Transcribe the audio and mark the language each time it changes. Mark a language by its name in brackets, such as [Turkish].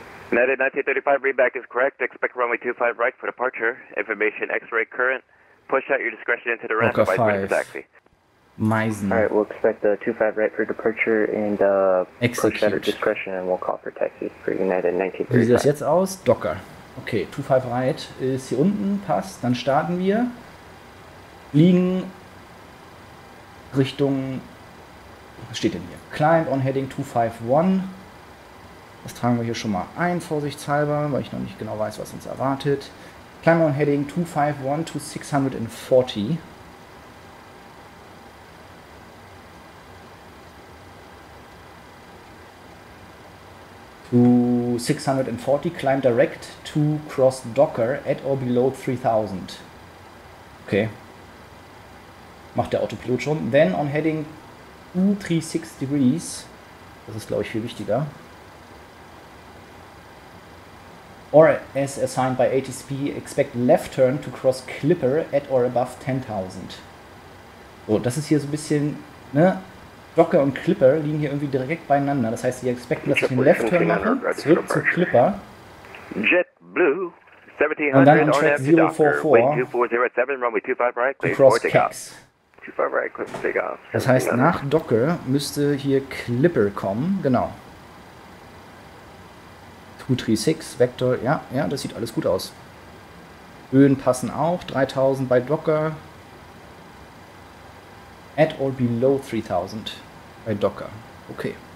[English] Net 1935, readback is correct. Expect runway 25 right for departure. Information X-ray current. Push out your discretion into the ramp. Orca 5. Meisen. Alright, we'll expect the 25 right for departure and push out your discretion and we'll call for taxi for United 1935. [German] Wie sieht das jetzt aus? Docker. Okay, 25 right ist hier unten, passt. Dann starten wir. Liegen Richtung. Was steht denn hier? [English] Climb on heading 251. [German] Das tragen wir hier schon mal ein, vorsichtshalber, weil ich noch nicht genau weiß, was uns erwartet. [English] Climb on heading 251 to 640. To 640, climb direct to cross Docker at or below 3000. Okay. [German] Macht der Autopilot schon. [English] Then on heading 236 degrees. [German] Das ist, glaube ich, viel wichtiger. [English] Or as assigned by ATCP, expect left turn to cross Clipper at or above 10,000. [German] So, das ist hier so ein bisschen, ne? Docker und Clipper liegen hier irgendwie direkt beieinander. Das heißt, sie expecten, dass ich einen Left Turn mache, zurück zu Clipper. [English] Jet Blue, 1700, [German] und dann [English] on Track 044, runway 24 right, clear to cross Kex. 25 right, clear for takeoff. [German] Das heißt, nach Docker müsste hier Clipper kommen, genau. 236, Vector, ja, ja, das sieht alles gut aus. Höhen passen auch, 3000 bei Docker. [English] At or below 3000 [German] bei Docker. [English] Okay.